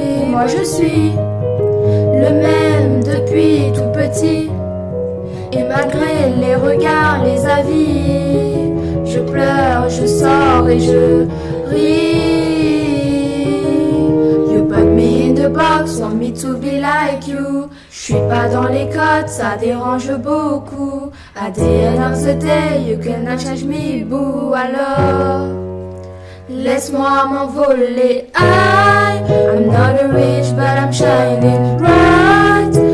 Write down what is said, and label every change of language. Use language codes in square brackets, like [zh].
[fr] moi je suis le même depuis tout petit. Et malgré les regards, les avis, je pleure, je sors et je ris. [en] You put me in the box, want me to be like you. [fr] Je suis pas dans les codes, ça dérange beaucoup. [en] At the end of the day, you cannot change me, boo. [fr] Alors, laisse-moi m'envoler. [en] I'm not a rich, but I'm shining bright.